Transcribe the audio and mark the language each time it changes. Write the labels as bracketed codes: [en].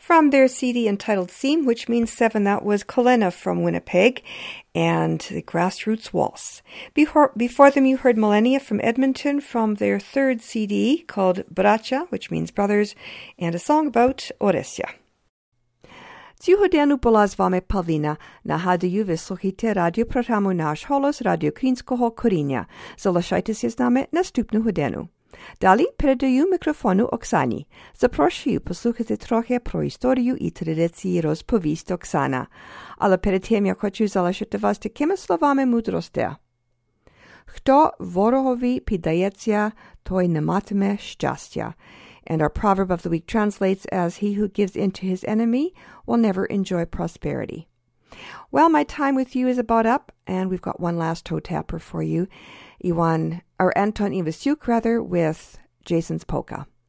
[en] Their CD entitled Seam, which means seven, that was Kolena from Winnipeg and the Grassroots Waltz. Before them, you heard Millennia from Edmonton from their third CD called Bracha, which means brothers, and a song about Oresia. [uk] Цьогоденну була з вами Павлина. Нагадую, ви слухаєте радіопрограму Наш Голос Радіо Крінського Коріння. Залишайтеся з нами наступну годину. Далі передаю мікрофону Оксані. Запрошую послухати трохи про історію і традиції розповість Оксана. Але перед тим я хочу залишити вас такими словами мудрості. Хто ворогові піддається, той не матиме щастя. [en] And our proverb of the week translates as, he who gives in to his enemy will never enjoy prosperity. Well, my time with you is about up, and we've got one last toe tapper for you. Anton Ivasyuk, rather, with Jason's Polka.